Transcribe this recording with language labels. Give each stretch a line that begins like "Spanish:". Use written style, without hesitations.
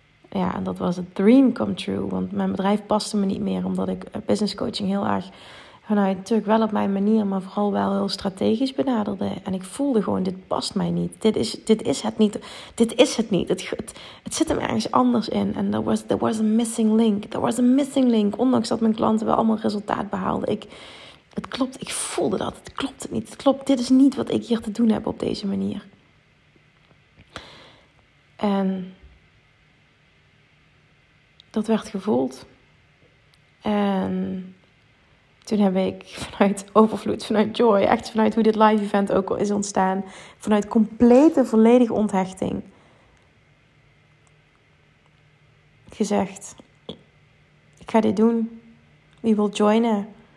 Dutch: ja, dat was het
English: dream come true.
Dutch: Want mijn bedrijf paste me niet meer, omdat ik business coaching heel erg vanuit, natuurlijk wel op mijn manier, maar vooral wel heel strategisch benaderde. En ik voelde gewoon, dit past mij niet. Dit is het niet. Het zit hem ergens anders in. En
English: there was a missing link.
Dutch: Ondanks dat mijn klanten wel allemaal resultaat behaalden. Het klopt, ik voelde dat. Het klopt niet. Het klopt, dit is niet wat ik hier te doen heb op deze manier. En dat werd gevoeld. En toen heb ik vanuit overvloed, vanuit joy, echt vanuit hoe dit live event ook al is ontstaan, vanuit complete, volledige onthechting, gezegd, ik ga dit doen. Wie wil joinen?